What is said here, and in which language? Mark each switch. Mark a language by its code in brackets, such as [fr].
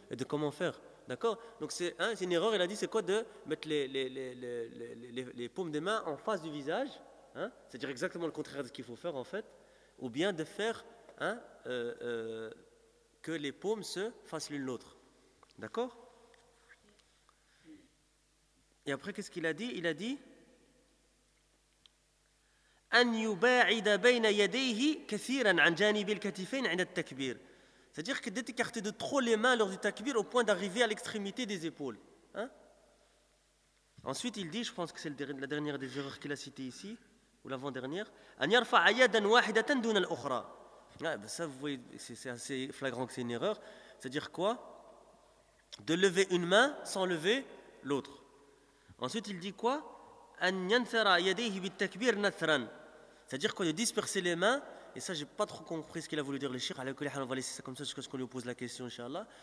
[fr] Et de comment faire, d'accord? Donc c'est une erreur, il a dit, c'est quoi de mettre les paumes des mains en face du visage, hein? C'est-à-dire exactement le contraire de ce qu'il faut faire, en fait. Ou bien de faire, hein, que les paumes se fassent l'une l'autre. D'accord? Et après, qu'est-ce qu'il a dit? Il a dit... [ar] أن يباعد بين يديه كثيرا عن جانب الكتفين عند التكبير. [fr] C'est-à-dire que d'être écarté de trop les mains lors du takbir au point d'arriver à l'extrémité des épaules. Hein? Ensuite, il dit, je pense que c'est la dernière des erreurs qu'il a citées ici, ou l'avant-dernière. [ar] أن يرفع يدا واحدة دون الأخرى. [fr] Ça, vous voyez, c'est assez flagrant que c'est une erreur. C'est-à-dire quoi? De lever une main sans lever l'autre. Ensuite, il dit quoi? [ar] أن ينثر يديه بالتكبير نثرا. [fr] C'est-à-dire quoi? De disperser les mains Et ça, j'ai pas trop compris ce qu'il a voulu dire le cheikh. Alors, on va laisser ça comme ça jusqu'à ce qu'on lui pose la question, inchallah.